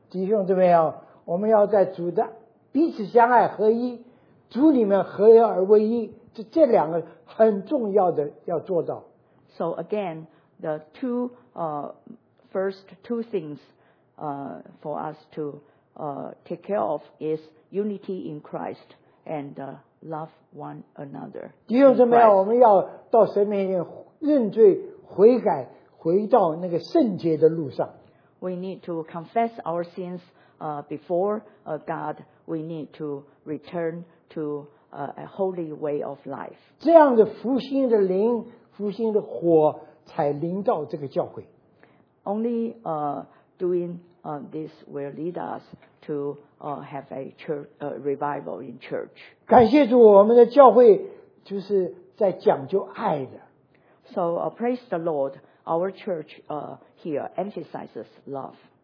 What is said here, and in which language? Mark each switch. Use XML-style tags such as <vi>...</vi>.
<zh>弟兄姊妹啊, 我们要在主的彼此相爱合一, 主里面合而为一, 这两个很重要的要做到。</zh> <en>So again, the two first two things for us to take care of is unity in Christ and love one another.</en> <zh>弟兄姊妹啊, 我们要到神面前认罪悔改, 回到那个圣洁的路上。</zh> <en>We need to confess our sins before God. We need to return to a holy way of life.</en> <zh>这样的复兴的灵, 复兴的火, 才临到这个教会。</zh> <en>Only doing this will lead us to have a church revival in church.</en> <zh>感谢主, 我们的教会就是在讲究爱的。</zh> <en>So praise the Lord. Our church here emphasizes love.</en>